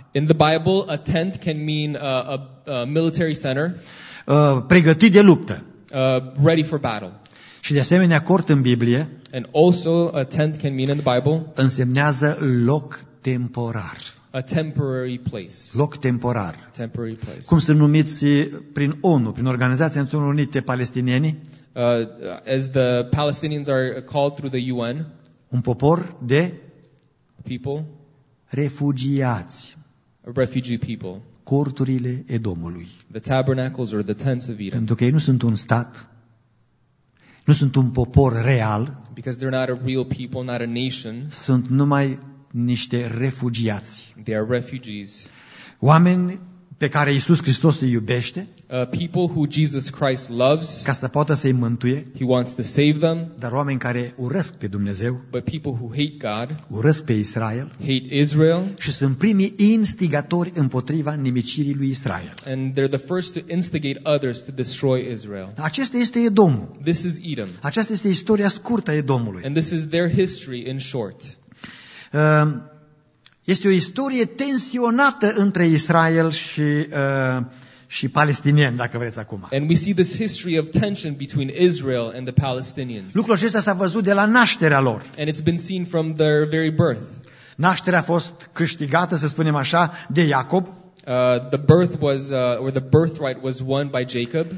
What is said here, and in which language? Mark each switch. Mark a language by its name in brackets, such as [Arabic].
[English] In the Bible, a tent can mean a military center. [Romanian] Pregătit de luptă. [English] Ready for battle. [Romanian] Și de asemenea, cort în Biblie. [English] And also, a tent can mean in the Bible. [Romanian] Însemnează loc temporar. [English] A temporary place. [Romanian] Loc temporar. [English] Temporary place. [Romanian] Cum sunt numiți prin ONU, prin Organizația Națiunilor Unite Palestinieni? [English] As the Palestinians are called through the UN. [Romanian] Un popor de [English] people, [Romanian] refugiați, [English] refugee people, [Romanian] corturile Edomului, [English] the tabernacles or the tents of Edom. [Romanian] Pentru că ei nu sunt un stat, nu sunt un popor real, [English] because they're not a real people, not a nation. [Romanian] Sunt numai niște refugiați. [English] They are refugees. [Romanian] Oameni pe care Iisus Hristos îi iubește, [English] people who Jesus Christ loves, [Romanian] ca să poată să-i mântuie, [English] he wants to save them, [Romanian] dar oameni care urăsc pe Dumnezeu, [English] but people who hate God, [Romanian] urăsc pe Israel, [English] hate Israel, [Romanian] și sunt primii instigatori împotriva nimicirii lui Israel. [English] And they're the first to instigate others to destroy Israel. [Romanian] Acesta este Edomul. [English] This is Edom. [Romanian] Aceasta este istoria scurtă a Edomului. [English] And this is their history in short. [Romanian] Este o istorie tensionată între Israel și și palestinieni, dacă vreți acum. [English] And we see this history of tension between Israel and the Palestinians. [Romanian] Lucrul acesta s-a văzut de la nașterea lor. [English] And it's been seen from their very birth. [Romanian] Nașterea a fost câștigată, să spunem așa, de Iacob. [English] The birthright was won by Jacob.